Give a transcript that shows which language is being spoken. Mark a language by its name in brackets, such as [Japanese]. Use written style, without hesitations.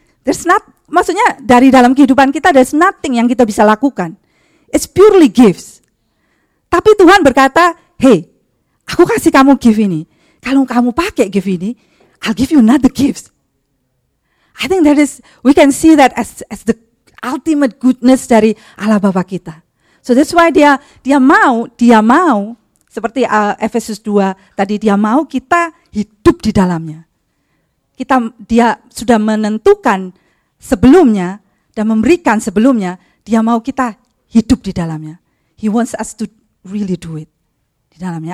[English] There's not, [Indonesian] maksudnya dari dalam kehidupan kita, [English] there's nothing [Indonesian] yang kita bisa lakukan. [English] It's purely gifts. [Indonesian] Tapi Tuhan berkata, hey, aku kasih kamu gift ini. Kalau kamu pakai gift ini, [English] I'll give you another gift. I think that is, we can see that as the ultimate goodness [Indonesian] dari Allah Bapa kita. So that's why dia mau seperti Efesus 2 tadi, dia mau kita hidup di dalamnya. Kita, dia sudah menentukan sebelumnya dan memberikan sebelumnya, dia mau kita hidup di dalamnya. [English] He wants us to really do it [Indonesian] di dalamnya.